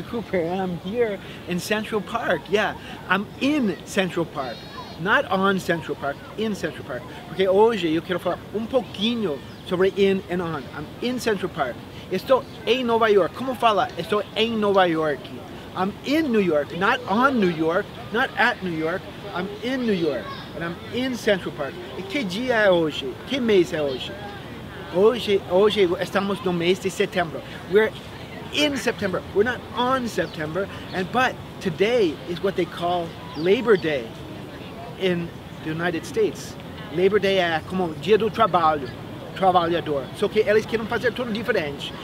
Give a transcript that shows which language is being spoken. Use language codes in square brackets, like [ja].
[en] Cooper, and I'm here in Central Park. Yeah, I'm in Central Park. Not on Central Park, in Central Park. [pt] Porque hoje eu quero falar pouquinho sobre in and on. [en] I'm in Central Park. [pt] Estou em Nova York. Como fala? Estou em Nova York. [en] I'm in New York, not on New York, not at New York. I'm in New York, and I'm in Central Park. [pt] E que dia é hoje? Que mês é hoje? Hoje estamos no mês de setembro. [en] We're in September. We're not on September. But today is what they call Labor Day in the United States. [pt] Labor Day é como dia do trabalho, trabalhador. Só que eles querem fazer tudo diferente.